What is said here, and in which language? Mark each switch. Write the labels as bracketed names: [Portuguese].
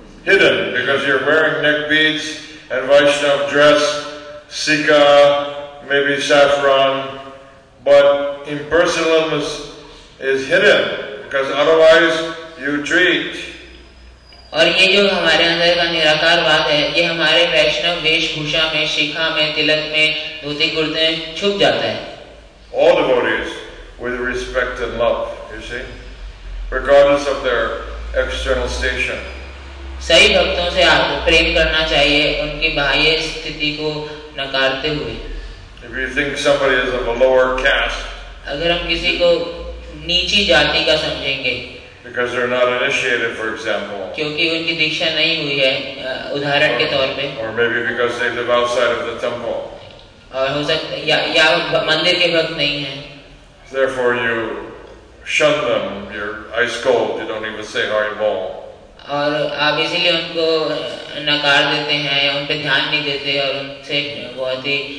[English] hidden because you're wearing neck beads and Vaishnav dress, sika, maybe saffron, but impersonalism is hidden because otherwise you treat. [Hindi] और ये जो हमारे अंदर का निराकारवाद है ये हमारे वैष्णव वेशभूषा में शिखा में तिलक में धोती कुर्ते में छुप जाता है। [English] All devotees with respect and love, you see. Regardless of their external station. [Hindi] सही भक्तों से आपको प्रेम करना चाहिए उनकी बाह्य स्थिति को नकारते हुए। [English] If you think somebody is of a lower caste, [Hindi] अगर हम किसी को नीची जाति का समझेंगे, [English] because they're not initiated, for example, [Hindi] क्योंकि उनकी दीक्षा नहीं हुई है उदाहरण के तौर पे, [English] or maybe because they live outside of the temple, [Hindi] और हो सकता है या मंदिर के भक्त नहीं है, [English] therefore you shun them, you're ice cold, you don't even say Hari Bol. [Hindi] और आप इसीलिए उनको नकार देते हैं, उन पे ध्यान नहीं देते और उनसे बहुत ही